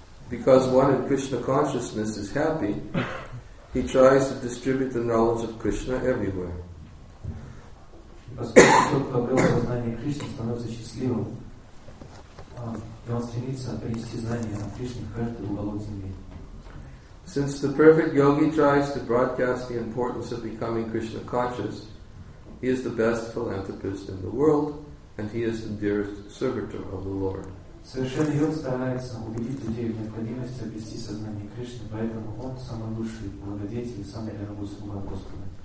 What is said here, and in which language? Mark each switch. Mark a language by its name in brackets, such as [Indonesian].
[English] Because one in Krishna consciousness is happy, he tries to distribute the knowledge of Krishna everywhere. [Russian] Поскольку тот, кто обрел сознание Кришны, становится счастливым, и он стремится принести знания о Кришне в каждый уголок земли. [English] Since the perfect yogi tries to broadcast the importance of becoming Krishna conscious, he is the best philanthropist in the world, and he is the dearest servitor of the Lord. [Russian] Совершенный йог старается убедить людей в необходимости обрести сознание Кришны, поэтому он самый лучший благодетель и самый дорогой слуга Господа.